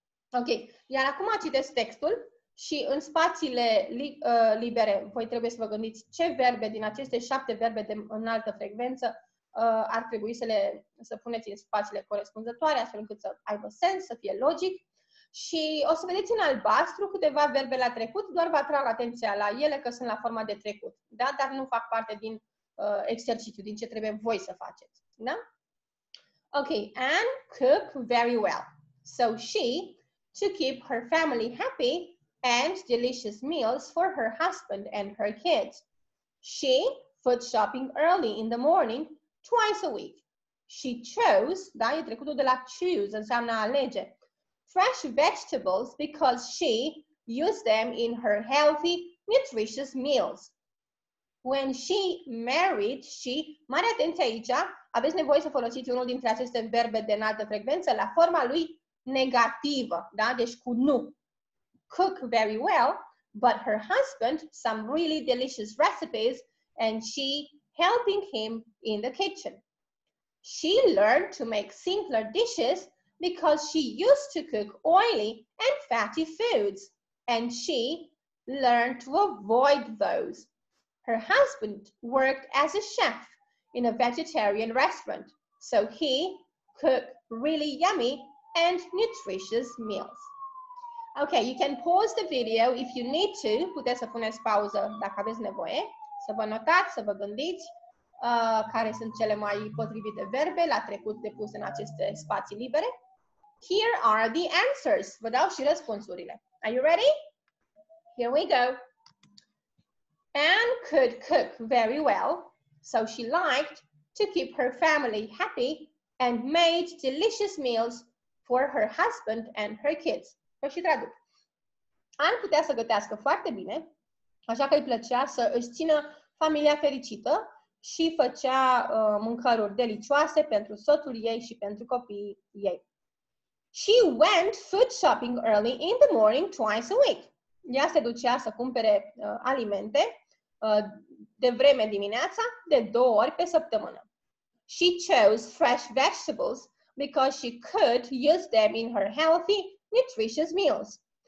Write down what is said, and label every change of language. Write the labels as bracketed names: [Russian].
[Romanian] Ok, iar acum citesc textul și în spațiile libere voi trebuie să vă gândiți ce verbe din aceste 7 verbe de înaltă frecvență ar trebui să puneți în spațiile corespunzătoare, astfel încât să aibă sens, să fie logic. Și o să vedeți în albastru câteva verbe la trecut, doar vă atrag atenția la ele că sunt la forma de trecut, da? Dar nu fac parte din exercițiu, din ce trebuie voi să faceți. [English] Da? Ok, Anne cook very well. So she, to keep her family happy and delicious meals for her husband and her kids. She, food shopping early in the morning, twice a week. She chose, da? [Romanian] E trecutul de la choose, înseamnă alege. [English] Fresh vegetables because she used them in her healthy, nutritious meals. When she married, she... [Romanian] Mare atenție aici, aveți nevoie să folosiți unul dintre aceste verbe de înaltă frecvență la forma lui negativă, da? Deci cu nu. [English] Cook very well, but her husband some really delicious recipes and she helping him in the kitchen. She learned to make simpler dishes because she used to cook oily and fatty foods, and she learned to avoid those. Her husband worked as a chef in a vegetarian restaurant, so he cooked really yummy and nutritious meals. Okay, you can pause the video if you need to. [Romanian] Puteți să puneți pauză dacă aveți nevoie, să vă notați, să vă gândiți. Care sunt cele mai potrivite verbe la trecut de pus în aceste spații libere. [English] Here are the answers. [Romanian] Vă dau și răspunsurile. [English] Are you ready? Here we go. Anne could cook very well, so she liked to keep her family happy and made delicious meals for her husband and her kids. [Romanian] Vă și traduc. Anne putea să gătească foarte bine, așa că îi plăcea să își țină familia fericită și făcea mâncăruri delicioase pentru soțul ei și pentru copiii ei. [English] She went food shopping early in the morning twice a week. [Romanian] Ea se ducea să cumpere alimente de vreme dimineața, de două ori pe săptămână. [English] She chose fresh vegetables because she could use them in her healthy, nutritious meals.